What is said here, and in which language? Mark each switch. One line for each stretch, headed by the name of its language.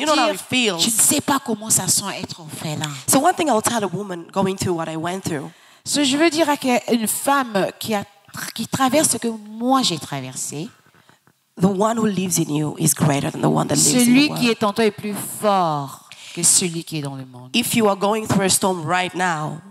English: You don't know how it feels.
French: Tu ne sais pas comment ça sent être orphelin.
English: So one thing I will tell a woman going through what I went through.
French: So je veux dire à une femme qui traverse ce que moi j'ai traversé.
English: The one who lives in you is greater than the one that lives in the world.
French: Celui qui est en toi est plus fort que celui qui est dans le monde.
English: If you are going through a storm right now,